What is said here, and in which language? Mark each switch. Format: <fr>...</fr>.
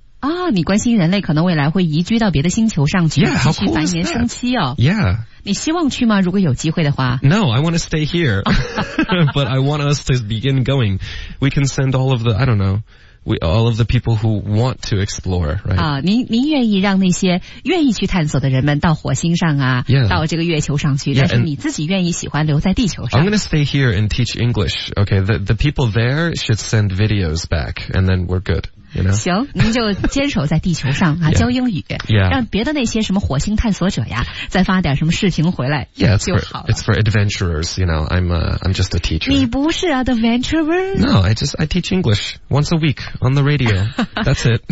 <zh>啊，你关心人类可能未来会移居到别的星球上去，继续繁衍生息哦。</zh> <en>Yeah.</en> <zh>你希望去吗？如果有机会的话。</zh> <en>No, I want to stay here. But I want us to begin going. We can send all of the, I don't know. All of the people who want to explore, right?</en> <zh>啊，您愿意让那些愿意去探索的人们到火星上啊，</zh> <en>yeah.</en> <zh>到这个月球上去，</zh> <en>yeah,</en> <zh>但是你自己愿意喜欢留在地球上。</zh> <en>I'm gonna stay here and teach English, okay? The people there should send videos back, and then we're good, you know?</en> <zh>行，您就坚守在地球上啊，</zh> <en>yeah.</en> <zh>教英语，</zh> <en>yeah.</en> <zh>让别的那些什么火星探索者呀，再发点什么视频回来，</zh> <en>yeah, 就</en> <zh>好了。</zh> <en>It's for adventurers, you know. I'm just a teacher.</en> <zh>你不是 adventurer?</zh> <en>No, I teach English once a week. On the radio, that's it.</en>